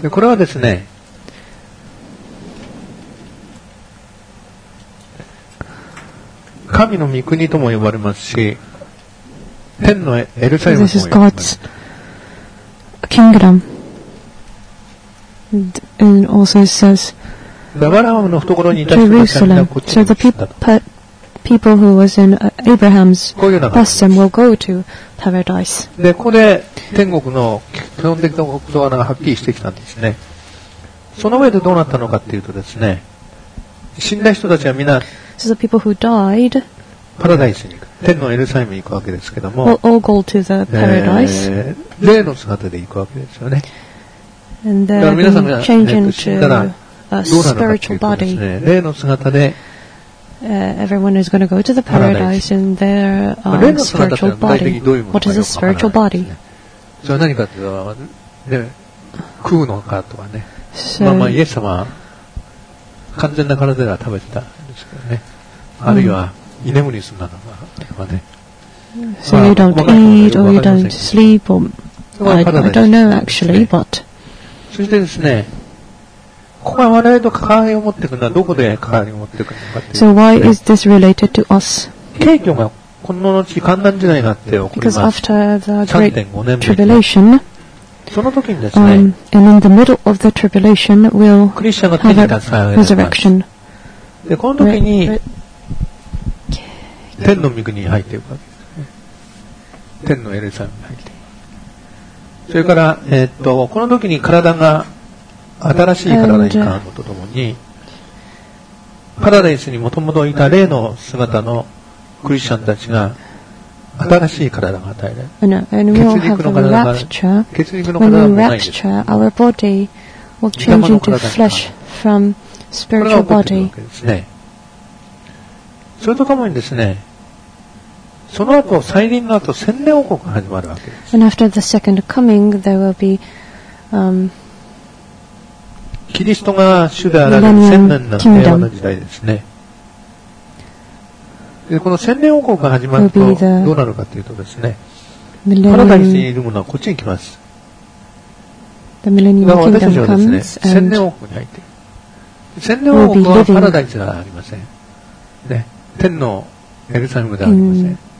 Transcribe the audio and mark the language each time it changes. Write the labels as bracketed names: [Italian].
[Japanese] で、これはですね、神の御国とも呼ばれますし、天のエルサレムとも呼ばれます。 [English] This is God's kingdom. And also it says, [Japanese] アブラハムの懐にいた人たちはこっちに来たと。 [English] People who was in Abraham's bosom will go to paradise. [Japanese] で、ここで天国の基本的なことがはっきりしてきたんですね。その上でどうなったのかというとですね、死んだ人たちはみんな、 [English] so the people who died, [Japanese] パラダイスに行く、天のエルサレムに行くわけですけども、 [English] will all go to the paradise. [Japanese] 霊の姿で行くわけですよね。 [English] And [Japanese] だから皆さんが [English] change into [Japanese] どうなのかというとですね、霊の姿で、 [English] everyone is going to go to the paradise in their spiritual body. What is a spiritual body? [Japanese] それは何かというと、ね、食うのかとかね。 [English] So, [Japanese] まあまあイエス様は完全な体では食べてたんですけどね。あるいは居眠りするのかとかね。 [English] So you don't eat or you don't sleep or I don't know actually, but. [Japanese] そしてですね。ここは我々と関わりを持っていくのはどこで関わりを持っていくのかという。 [English] So why is this related to us? [Japanese] 景況がこの後患難時代があって起こります。 [English] Because after the great tribulation, [Japanese] その時にですね、 [English] and in the middle of the tribulation, we'll have a resurrection. [Japanese] でこの時に天の御国に入っていくわけですね。天のエルサレムに入っていく。それからこの時に体が新しい体に変わるとともに、パラダイスにもともといた霊の姿のクリスチャンたちが新しい体が与えられる。血肉の体が、血肉の体がない。 [English] Rapture, our body will change into flesh from spiritual body. [Japanese] それとともにですね、その後再臨の後洗礼王国が始まるわけです。 [English] And after the second coming, there will be, [Japanese] キリストが主であられる千年の平和の時代ですね。でこの千年王国が始まるとどうなるかというとですね、パラダイスにいる者はこっちに来ます。だから私たちはですね、千年王国に入っている。千年王国はパラダイスではありません、ね、天のエルサレムではありません。